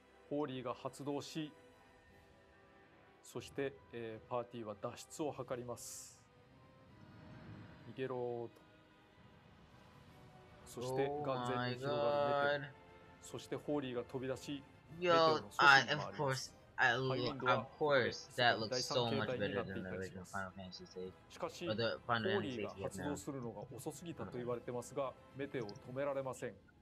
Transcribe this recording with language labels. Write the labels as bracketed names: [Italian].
[Japanese] ホーリーが発動し、そしてパーティーは脱出を図ります。ゲローと、そして眼前に広がる、そしてホーリーが飛び出し、 [English] Yo, I, of course, I look, of course, that looks so much better than the original Final Fantasy stage. [Japanese] しかし、ホーリーが発動するのが遅すぎたと言われてますが、メテオを止められません。